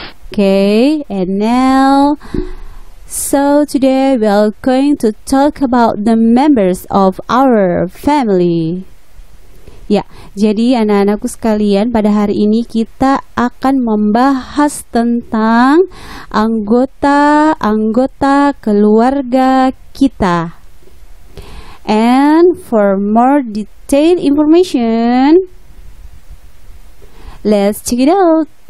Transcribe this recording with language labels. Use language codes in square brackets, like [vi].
[en] Okay, and now, so today we are going to talk about the members of our family. [id] Ya, jadi anak-anakku sekalian, pada hari ini kita akan membahas tentang anggota-anggota keluarga kita. [en] And for more detailed information, let's check it out.